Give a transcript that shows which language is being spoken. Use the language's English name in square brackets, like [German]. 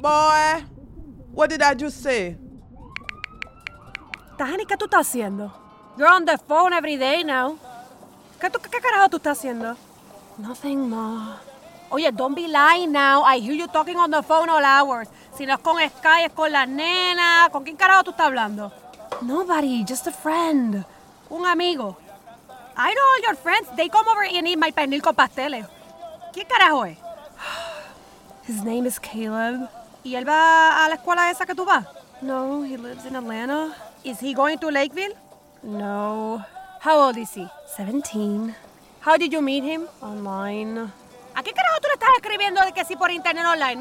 [English] Boy, what did I just say? Tahani, [Spanish] ¿qué tú estás haciendo? [English] You're on the phone every day now. [Spanish] ¿Qué carajo tú estás haciendo? [English] Nothing, ma. Oye, don't be lying now. I hear you talking on the phone all hours. [Spanish] Si no es con Sky, es con la nena. ¿Con quién carajo tú estás hablando? [English] Nobody, just a friend. [Spanish] Un amigo. [English] I know all your friends. They come over and eat my pernil con pasteles. [Spanish] ¿Qué carajo es? [English] His name is Caleb. [Spanish] ¿Y él va a la escuela esa que tú vas? [English] No, he lives in Atlanta. Is he going to Lakeville? No. How old is he? 17. How did you meet him? Online. [Spanish] ¿A qué carajo tú le estás escribiendo de que sí por internet online?